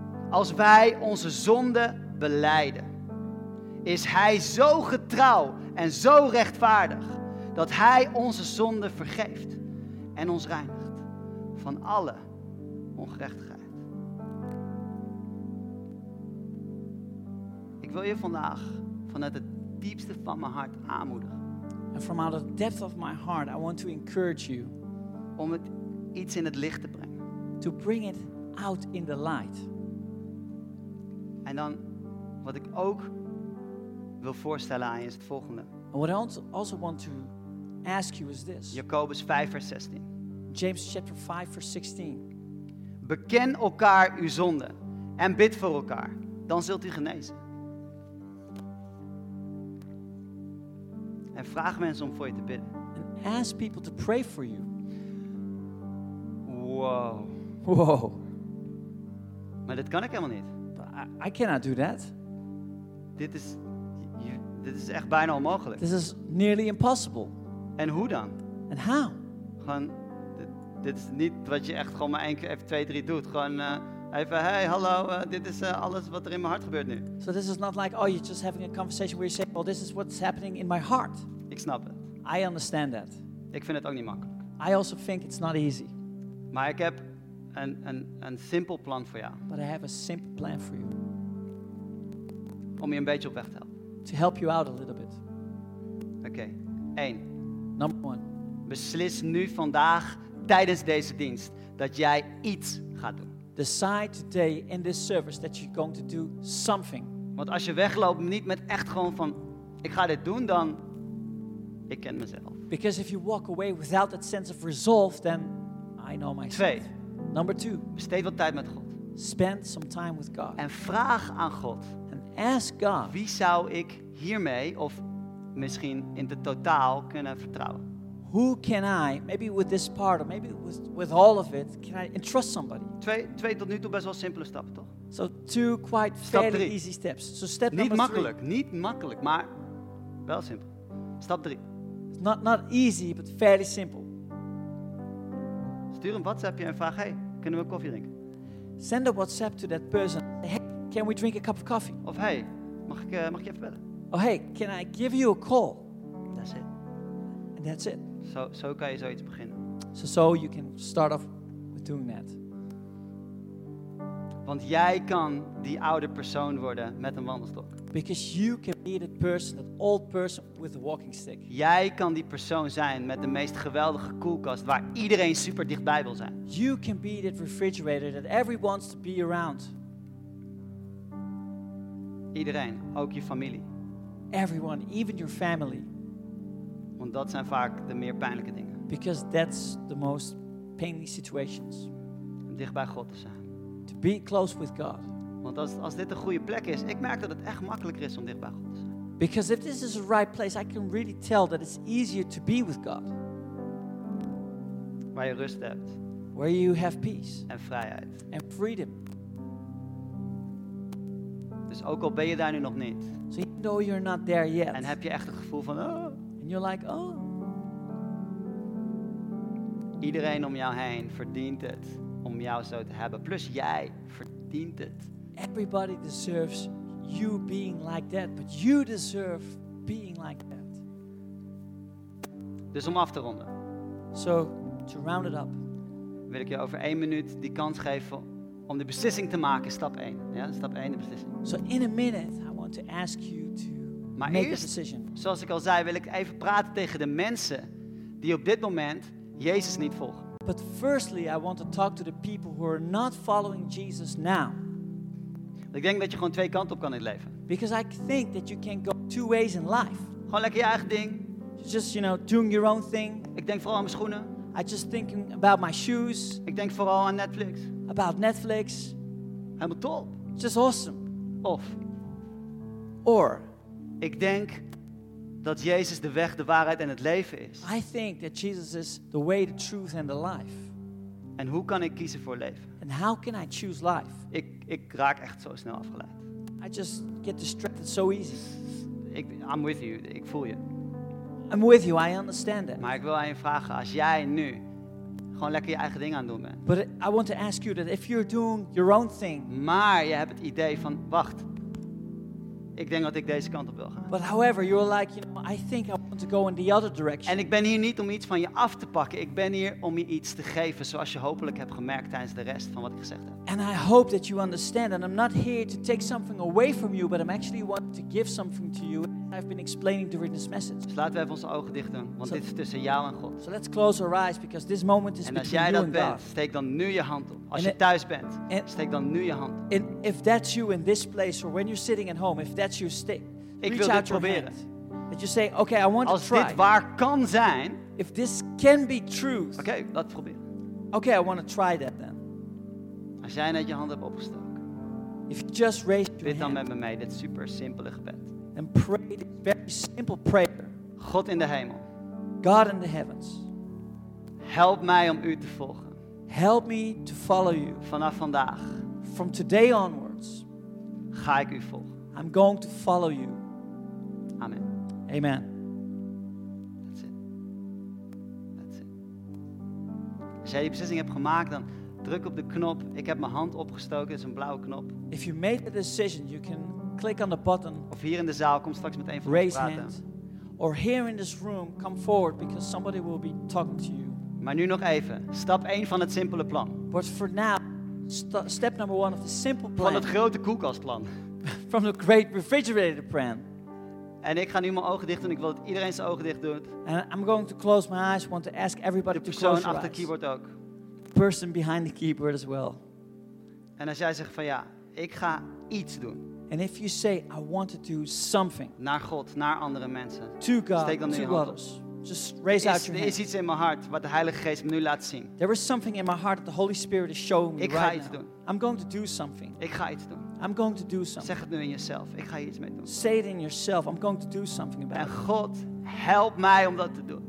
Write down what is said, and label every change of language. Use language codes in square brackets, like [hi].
[nl] Als wij onze zonde belijden, is hij zo getrouw en zo rechtvaardig dat hij onze zonde vergeeft en ons reinigt van alle ongerechtigheid. Ik wil je vandaag vanuit het diepste van mijn hart aanmoedigen. [en] And from out of the depth of my heart, I want to encourage you. [nl] Om het iets in het licht te brengen. [en] To bring it out in the light. [nl] En dan, wat ik ook wil voorstellen aan je is het volgende. [en] And what I also want to ask you is this. [nl] Jacobus 5 vers 16. [en] James chapter 5 vers 16. [nl] Beken elkaar uw zonde en bid voor elkaar. Dan zult u genezen. En vraag mensen om voor je te bidden. [en] And ask people to pray for you. Wow. Wow. [nl] Maar dit kan ik helemaal niet. [en] I cannot do that. [nl] Dit is echt bijna onmogelijk. [en] This is nearly impossible. [nl] En hoe dan? [en] And how? [nl] Gewoon, Dit is niet wat je echt gewoon maar één keer, even twee, drie doet. Gewoon even, hey, hallo, dit is alles wat er in mijn hart gebeurt nu. [en] So this is not like, oh, you're just having a conversation where you say, well, this is what's happening in my heart. [nl] Ik snap het. [en] I understand that. [nl] Ik vind het ook niet makkelijk. [en] I also think it's not easy. [nl] Maar ik heb een simpel plan voor jou. [en] But I have a simple plan for you. [nl] Om je een beetje op weg te helpen. [en] To help you out a little bit. [nl] Oké, okay. 1. [en] Number 1. [nl] Beslis nu vandaag tijdens deze dienst dat jij iets gaat doen. [en] Decide today in this service that you're going to do something. [nl] Want als je wegloopt niet met echt gewoon van ik ga dit doen, dan ik ken mezelf. [en] Because if you walk away without that sense of resolve, then I know myself. [nl] 2. [en] Number 2. [nl] Besteed wat tijd met God. [en] Spend some time with God. [nl] En vraag aan God. [en] And ask God. [nl] Wie zou ik hiermee of misschien in het totaal kunnen vertrouwen? [en] Who can I, maybe with this part, or maybe with all of it, can I entrust somebody? [nl] Twee tot nu toe best wel simpele stappen, toch? [en] So two quite fairly easy steps. So step [nl] niet [en] number [nl] makkelijk, [en] three. [nl] Niet makkelijk, maar wel simpel. Stap 3. [en] It's not easy, but fairly simple. [nl] Stuur een WhatsAppje en vraag, hey, kunnen we een koffie drinken? [en] Send a WhatsApp to that person. Hey, can we drink a cup of coffee? [nl] Of hey, mag ik even bellen? [en] Oh hey, can I give you a call? That's it. And that's it. [nl] Zo kan je zoiets beginnen. [en] So you can start off with doing that. [nl] Want jij kan die oude persoon worden met een wandelstok. [en] Because you can be that person, that old person with a walking stick. [nl] Jij kan die persoon zijn met de meest geweldige koelkast waar iedereen super dichtbij wil zijn. [en] You can be that refrigerator that everyone wants to be around. [nl] Iedereen, ook je familie. [en] Everyone, even your family. [nl] Want dat zijn vaak de meer pijnlijke dingen. [en] Because that's the most painful situations. [nl] Om dicht bij God te zijn. [en] To be close with God. [nl] Want als dit een goede plek is, ik merk dat het echt makkelijker is om dicht bij God te zijn. [en] Because if this is the right place, I can really tell that it's easier to be with God. [nl] Waar je rust hebt. [en] Where you have peace. [nl] En vrijheid. [en] And freedom. [nl] Dus ook al ben je daar nu nog niet. [en] So even though you're not there yet. [nl] En heb je echt het gevoel van, oh. [en] And you're like, oh. [nl] Iedereen om jou heen verdient het om jou zo te hebben. Plus jij verdient het. [en] Everybody deserves you being like that. But you deserve being like that. [nl] Dus om af te ronden. [en] So, to round it up. [nl] Wil ik je over 1 minuut die kans geven om de beslissing te maken. Stap 1. Ja, stap 1, de beslissing. [en] So in a minute, I want to ask you to. [nl] Maar [en] make [nl] eerst, [en] a decision. [nl] Zoals ik al zei, wil ik even praten tegen de mensen die op dit moment Jezus niet volgen. [en] But firstly, I want to talk to the people who are not following Jesus now. [nl] Ik denk dat je gewoon twee kanten op kan in het leven. [en] Because I think that you can go two ways in life. [nl] Gewoon lekker je eigen ding. [en] Just, you know, doing your own thing. [nl] Ik denk vooral aan mijn schoenen. [en] I just thinking about my shoes. [nl] Ik denk vooral aan Netflix. [en] About Netflix. [nl] Helemaal top. [en] Just awesome. [nl] Of. [en] Or. [nl] Ik denk dat Jezus de weg, de waarheid en het leven is. [en] I think that Jesus is the way, the truth and the life. [nl] En hoe kan ik kiezen voor leven? [en] And how can I choose life? [nl] Ik raak echt zo snel afgeleid. [en] I just get distracted so easy. I'm with you, [nl] ik voel je. [en] I'm with you, I understand that. [nl] Maar ik wil aan je vragen, als jij nu gewoon lekker je eigen ding aan doen bent. [en] But I want to ask you that if you're doing your own thing. [nl] Maar je hebt het idee van, wacht. Ik denk dat ik deze kant op wil gaan. [en] But however, you're like, you know, I think I want to go in the other direction. [nl] En ik ben hier niet om iets van je af te pakken. Ik ben hier om je iets te geven, zoals je hopelijk hebt gemerkt tijdens de rest van wat ik gezegd heb. [en] And I hope that you understand that I'm not here to take something away from you, but I'm actually want to give something to you. I've been explaining during this message. [nl] Dus laten we even onze ogen dicht doen, want dit is tussen jou en God. [en] So let's close our eyes because this moment is between you and God. [nl] En als jij dat bent, steek dan nu je hand op. Als je thuis bent, steek dan nu je hand op. [en] And if that's you in this place or when you're sitting at home, if that's you, stick. [nl] Ik wil dit proberen. [en] That you say, okay, I want to try. [nl] Als dit waar kan zijn. [en] If this can be truth. [nl] Okay, laat proberen. [en] Okay, I want to try that then. [nl] Als jij net je hand hebt opgestoken. [en] If you just raise your [nl] hand. Bid dan met me mee dit super simpele gebed. [en] And pray this very simple prayer. [nl] God in de hemel. [en] God in the heavens. [nl] Help mij om u te volgen. [en] Help me to follow you. [nl] Vanaf vandaag. [en] From today onwards. [nl] Ga ik u volgen. [en] I'm going to follow you. [nl] Amen. [en] Amen. That's it. That's [nl] jij die beslissing hebt gemaakt, dan druk op de knop. Ik heb mijn hand opgestoken, dat is een blauwe knop. [en] If you made the decision, you can click on the button. [nl] Of hier in de zaal, kom straks met een van ons praten. [en] Raise hand. Or here in this room, come forward because somebody will be talking to you. [nl] Maar nu nog even. Stap 1 van het simpele plan. [en] But for now, step number 1 of the simple plan. [nl] Van het grote koelkastplan. [en] From the great refrigerator plan. [nl] En ik ga nu mijn ogen dicht doen. Ik wil dat iedereen zijn ogen dicht doet. [en] And I'm going to close my eyes. I want to ask everybody to close your eyes. [nl] De persoon achter het keyboard ook. [en] Person behind the keyboard as well. [nl] En als jij zegt van ja, ik ga iets doen. [en] And if you say, I want to do something. [nl] Naar God, naar andere mensen. [en] To God, to others. Just raise out your hand. [nl] Er is iets in mijn hart wat de Heilige Geest me nu laat zien. [en] There is something in my heart that the Holy Spirit is showing me right now. [nl] Ik ga iets doen. [en] I'm going to do something. [nl] Ik ga iets doen. [en] I'm going to do something. [nl] Zeg het nu in jezelf. Ik ga hier iets mee doen. [en] Say it in yourself. I'm going to do something about it. [nl] En God, help mij om dat te doen.